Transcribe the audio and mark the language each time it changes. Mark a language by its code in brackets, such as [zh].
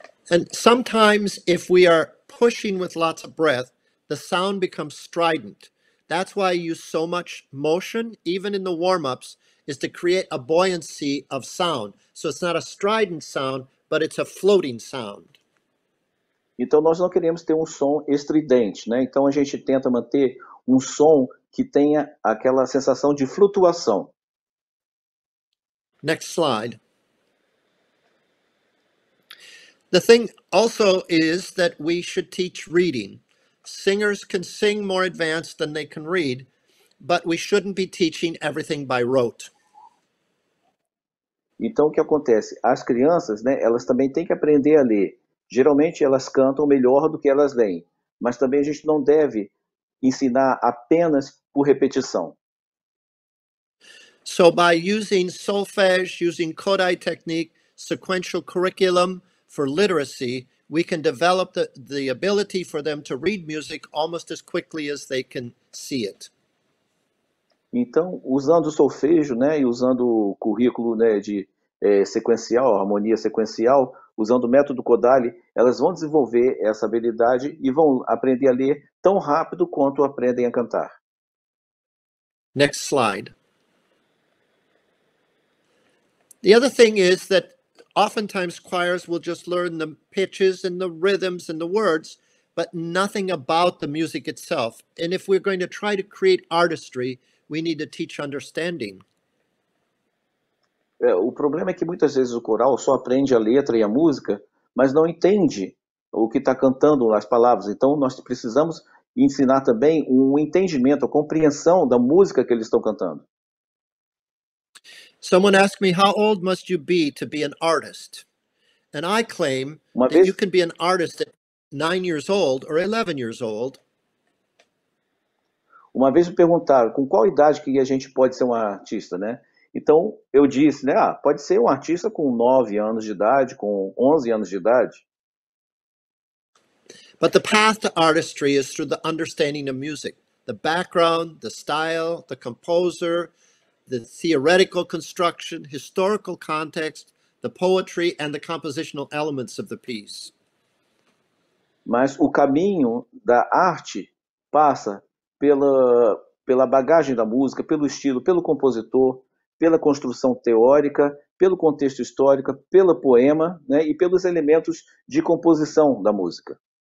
[en] And sometimes if we are pushing with lots of breath, the sound becomes strident. That's why I use so much motion, even in the warm-ups, is to create a buoyancy of sound. So it's not a strident sound, but it's a floating sound. [pt] Então, nós não queremos ter um som estridente, né? Então, a gente tenta manter um som que tenha aquela sensação de flutuação. [en] Next slide. The thing also is that we should teach reading. Singers can sing more advanced than they can read, but we shouldn't be teaching everything by rote. [pt] Então, o que acontece? As crianças, né, elas também têm que aprender a ler. Geralmente elas cantam melhor do que elas leem, mas também a gente não deve ensinar apenas por repetição. [en] So by using solfege, using Kodai technique, sequential curriculum for literacy, we can develop the ability for them to read music almost as quickly as they can see it. [pt] Então, usando o solfejo, né, e usando o currículo, né, de sequencial, harmonia sequencial, usando o método Kodály, elas vão desenvolver essa habilidade e vão aprender a ler tão rápido quanto aprendem a cantar. [en] Next slide. The other thing is that oftentimes choirs will just learn the pitches and the rhythms and the words, but nothing about the music itself. And if we're going to try to create artistry, we need to teach understanding. [pt] O problema é que muitas vezes o coral só aprende a letra e a música, mas não entende o que está cantando as palavras. Então, nós precisamos ensinar também um entendimento, a compreensão da música que eles estão cantando. [en] Someone asked me, how old must you be to be an artist? And I claim that you can be an artist at 9 years old or 11 years old. [pt] Uma vez me perguntaram, com qual idade que a gente pode ser um artista, né? Então, eu disse, né? Ah, pode ser um artista com 9 anos de idade, com 11 anos de idade. [en] But the path to artistry is through the understanding of music. The background, the style, the composer, the theoretical construction, historical context, the poetry and the compositional elements of the piece. [pt] Mas o caminho da arte passa pela bagagem da música, pelo estilo, pelo compositor, pela construção teórica, pelo contexto histórico, pelo poema, né, e pelos elementos de composição da música.